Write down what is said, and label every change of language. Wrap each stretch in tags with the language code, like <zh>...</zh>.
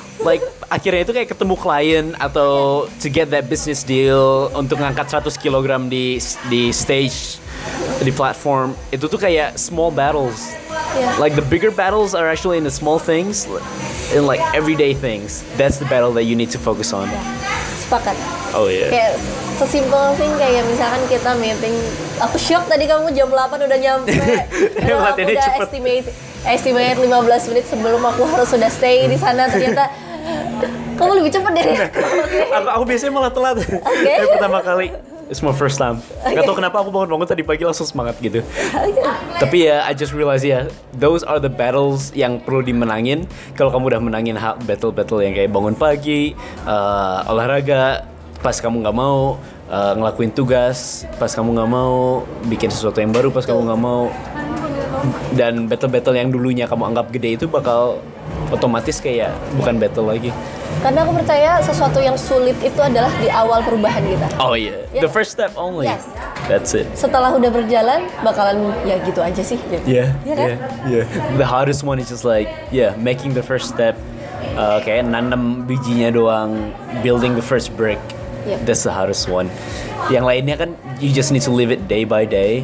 <id>Like akhirnya itu kayak ketemu klien atau</id> <en>to get that business deal,</en> <id>untuk ngangkat 100 kg di stage, di platform. Itu tuh kayak</id> <en>small battles.</en> <id>Yeah.</id> <en>Like the bigger battles are actually in the small things, in like everyday things. That's the battle that you need to focus on.</en> <id>Sepakat.</id> <en>Oh yeah.</en> <id>Kayak sesimpel thing kayak misalkan kita meeting. Aku shock tadi kamu jam 8 udah nyampe. Aku udah cepet. Estimate 15 menit sebelum aku harus sudah stay di sana, ternyata kamu lebih cepet dari aku. Aku biasanya malah telat. Okay. Dari pertama kali.</id> <en>It's my first time.</en> <id>Okay. Gak tau kenapa aku bangun tadi pagi langsung semangat gitu. Okay. Tapi ya,</id> <en>I just realize ya, those are the battles</en> <id>yang perlu dimenangin. Kalau kamu udah menangin battle-battle yang kayak bangun pagi, olahraga, pas kamu gak mau ngelakuin tugas, pas kamu gak mau bikin sesuatu yang baru, pas kamu gak mau, dan battle-battle yang dulunya kamu anggap gede itu bakal otomatis kayak bukan battle lagi. Karena aku percaya sesuatu yang sulit itu adalah di awal perubahan kita.</id> <en>Oh iya, yeah. The first step only. Yes. That's it.</en> <id>Setelah udah berjalan, bakalan ya gitu aja sih. Iya, iya, iya.</id> <en>The hardest one is just like, yeah, making the first step.</en> <id>Kayak nanam bijinya doang,</id> <en>building the first brick. Yeah. That's the hardest one.</en> <id>Yang lainnya kan,</id> <en>you just need to live it day by day.</en>